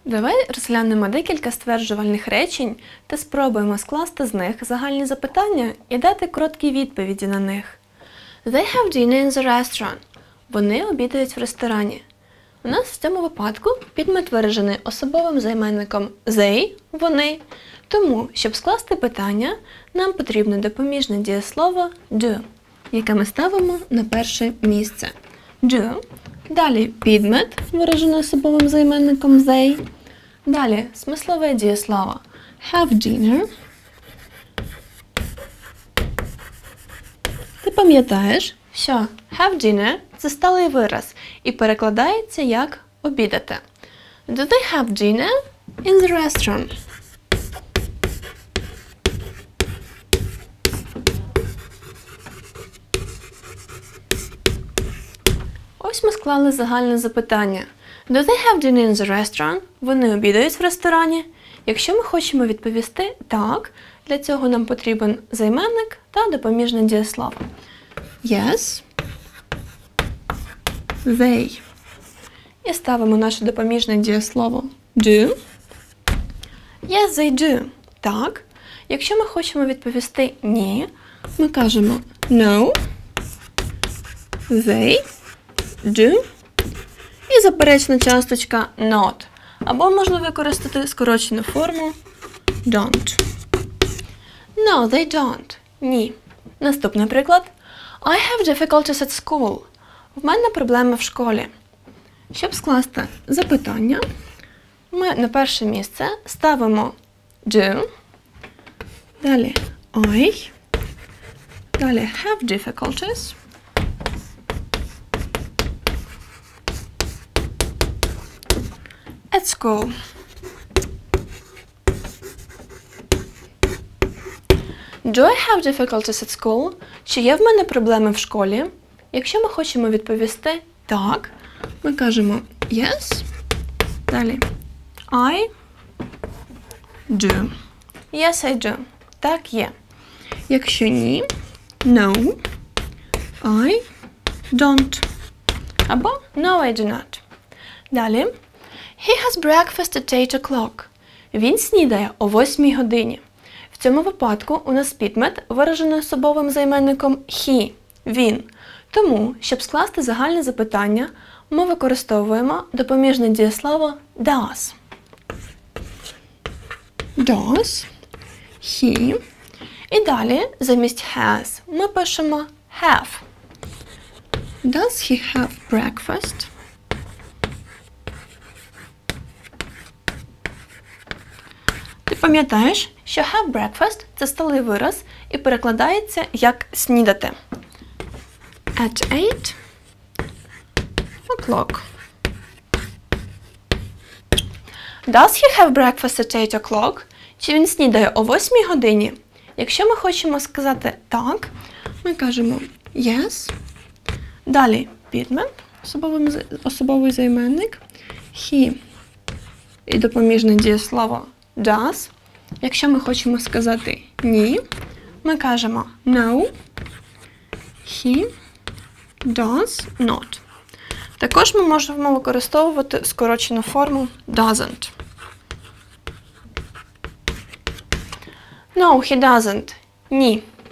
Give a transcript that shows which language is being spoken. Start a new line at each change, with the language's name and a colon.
Ukrainian: Давай розглянемо декілька стверджувальних речень та спробуємо скласти з них загальні запитання і дати короткі відповіді на них.
English: They have dinner in the restaurant.
Ukrainian: Вони обідають в ресторані. У нас в цьому випадку підмет виражений особовим займенником they – вони. Тому, щоб скласти питання, нам потрібно допоміжне дієслово do, яке ми ставимо на перше місце. Do – далі підмет, виражений особовим займенником they. Далі смислове дієслово have dinner. Ти пам'ятаєш, що have dinner – це сталий вираз і перекладається як обідати.
English: Do they have dinner in the restaurant?
Ukrainian: Ось ми склали загальне запитання.
English: Do they have dinner in the restaurant?
Ukrainian: Вони обідають в ресторані? Якщо ми хочемо відповісти так, для цього нам потрібен займенник та допоміжне дієслово.
English: Yes. They.
Ukrainian: І ставимо наше допоміжне дієслово do.
English: Yes, they do.
Ukrainian: Так. Якщо ми хочемо відповісти ні, ми кажемо no.
English: They. Do.
Ukrainian: І заперечна часточка not. Або можна використати скорочену форму don't.
English: No, they don't.
Ukrainian: Ні. Наступний приклад.
English: I have difficulties at school.
Ukrainian: В мене проблеми в школі. Щоб скласти запитання, ми на перше місце ставимо do. Далі I. Далі have difficulties. At school.
English: Do I have difficulties at school?
Ukrainian: Чи є в мене проблеми в школі? Якщо ми хочемо відповісти так, ми кажемо yes. Далі
English: I do. Yes, I do.
Ukrainian: Так є. Якщо ні,
English: no, I don't.
Ukrainian: Або
English: no, I do not.
Ukrainian: Далі.
English: He has breakfast at 8 o'clock.
Ukrainian: Він снідає о 8 годині. В цьому випадку у нас підмет виражений особовим займенником he – він. Тому, щоб скласти загальне запитання, ми використовуємо допоміжне дієслово does.
English: Does he.
Ukrainian: І далі замість has ми пишемо have.
English: Does he have breakfast?
Ukrainian: Пам'ятаєш, що have breakfast – це сталий вираз і перекладається як снідати.
English: At 8 o'clock. Does he have breakfast at 8 o'clock?
Ukrainian: Чи він снідає о 8 годині? Якщо ми хочемо сказати так, ми кажемо yes. Далі підмет, особовий займенник. He і допоміжне дієслово does. Якщо ми хочемо сказати ні, ми кажемо
English: no, he does not.
Ukrainian: Також ми можемо використовувати скорочену форму doesn't.
English: No, he doesn't.
Ukrainian: Ні.